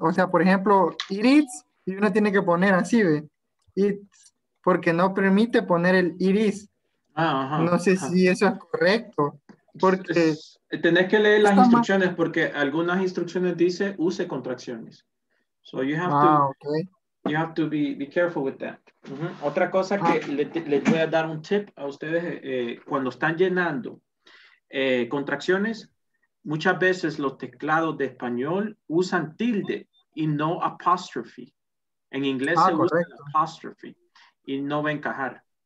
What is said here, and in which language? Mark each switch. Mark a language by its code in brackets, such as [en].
[es] O sea, por ejemplo, it is, y uno tiene que poner así, ¿ve? It's, porque no permite poner el it is. No sé si eso es correcto. Porque tenés que leer las instrucciones, porque algunas instrucciones dice use contracciones. [en] So you have you have to be careful with that. Uh-huh. [es] Otra cosa que les voy a dar un tip a ustedes, cuando están llenando contracciones, muchas veces los teclados de español usan tilde y no apostrophe. En inglés se usa apostrophe y no va a encajar.